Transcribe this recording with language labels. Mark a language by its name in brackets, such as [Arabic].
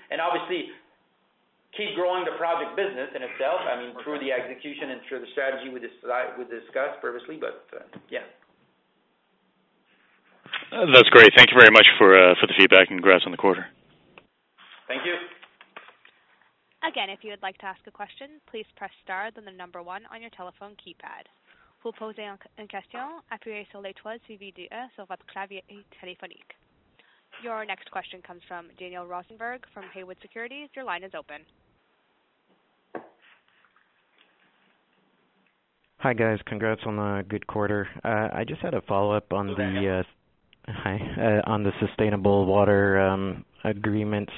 [English] And obviously, keep growing the project business in itself, I mean, through the execution and through the strategy we discussed previously, but yeah. That's great. Thank you very much for the feedback, and congrats on the quarter. Thank you. Thank you. Again, if you would like to ask a question, please press star, then the number one on your telephone keypad. [French] Vous posez une question, appuyez sur l'étoile suivie sur votre clavier téléphonique. [English] Your next question comes from Daniel Rosenberg from Haywood Securities. Your line is open. Hi, guys. Congrats on a good quarter. I just had a follow-up on on the sustainable water agreement.